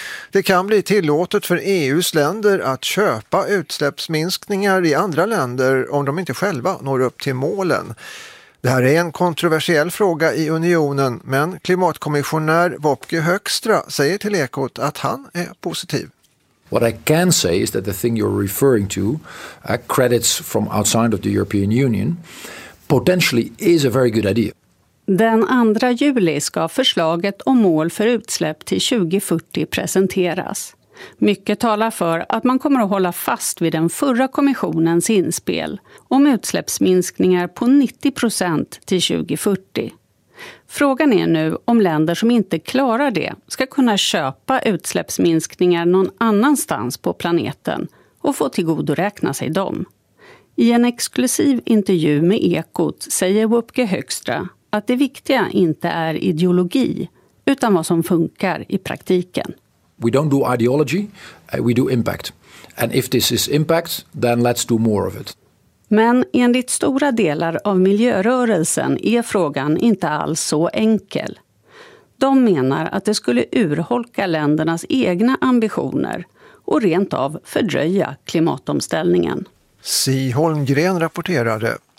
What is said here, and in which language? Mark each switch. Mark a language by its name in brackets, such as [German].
[Swedish] Det kan bli tillåtet för EUs länder att köpa utsläppsminskningar i andra länder om de inte själva når upp till målen. Det här är en kontroversiell fråga i unionen, men klimatkommissionär Wopke Hoekstra säger till Ekot att han är positiv. [English] What I can say is that the thing you're referring to, credits from outside of the European Union, potentially is a very good idea. [Swedish] Den 2 juli ska förslaget om mål för utsläpp till 2040 presenteras. Mycket talar för att man kommer att hålla fast vid den förra kommissionens inspel om utsläppsminskningar på 90% till 2040. Frågan är nu om länder som inte klarar det ska kunna köpa utsläppsminskningar någon annanstans på planeten och få tillgodoräkna sig dem. I en exklusiv intervju med Ekot säger Wopke Hoekstra att det viktiga inte är ideologi utan vad som funkar i praktiken. [English] We don't do ideology, we do impact. And if this is impact, then let's do more of it. [Swedish] Men enligt stora delar av miljörörelsen är frågan inte alls så enkel. De menar att det skulle urholka ländernas egna ambitioner och rent av fördröja klimatomställningen. Siv Holmgren rapporterade.